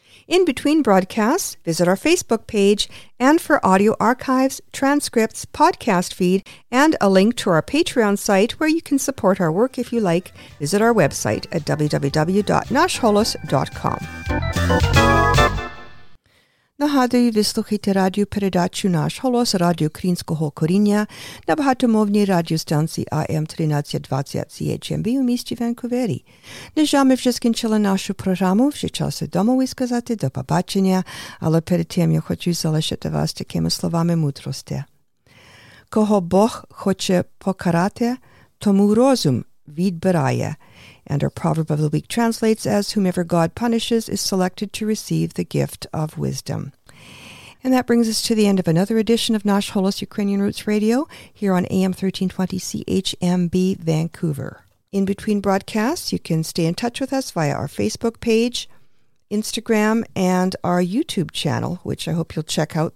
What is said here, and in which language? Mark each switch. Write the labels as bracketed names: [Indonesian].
[English] In between broadcasts, visit our Facebook page, and for audio archives, transcripts, podcast feed, and a link to our Patreon site where you can support our work if you like, visit our website at www.nashholos.com. [Ukrainian] Нагадую, ви слухаєте радіопередачу «Наш голос» радіо Українського коріння на багатомовній радіостанції АМ 1320 CHMB у місті Ванкувері. Нежа ми вже скінчили нашу програму, вже час вдома висказати до побачення, але перед тим я хочу залишити вас такими словами мудрості. Кого Бог хоче покарати, тому розум відбирає. [English] And our proverb of the week translates as, whomever God punishes is selected to receive the gift of wisdom. And that brings us to the end of another edition of Nosh Holos Ukrainian Roots Radio here on AM 1320 CHMB Vancouver. In between broadcasts, you can stay in touch with us via our Facebook page, Instagram, and our YouTube channel, which I hope you'll check out.